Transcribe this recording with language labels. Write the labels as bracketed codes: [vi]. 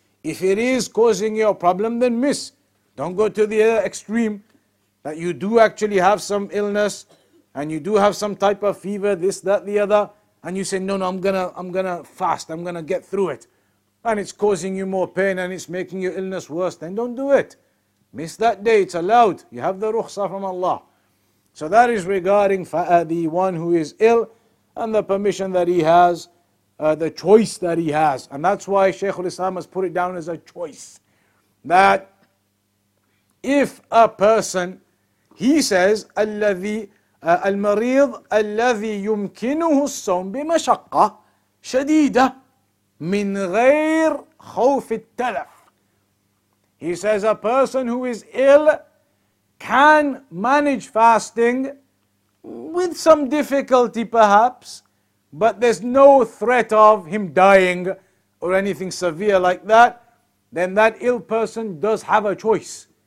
[en] If it is causing you a problem, then miss. Don't go to the extreme that you do actually have some illness and you do have some type of fever, this, that, the other, and you say, no, I'm gonna fast, I'm gonna get through it, and it's causing you more pain and it's making your illness worse, then don't do it. Miss that day, it's allowed. You have the rukhsa from Allah. So that is regarding the one who is ill and the permission that he has, the choice that he has. And that's why Shaykh al-Islam has put it down as a choice. That if a person, he says, [ar] المريض الذي يمكنه الصوم بمشقة شديدة من غير خوف التلف. [en] He says a person who is ill can manage fasting with some difficulty perhaps, but there's no threat of him dying or anything severe like that, then that ill person does have a choice.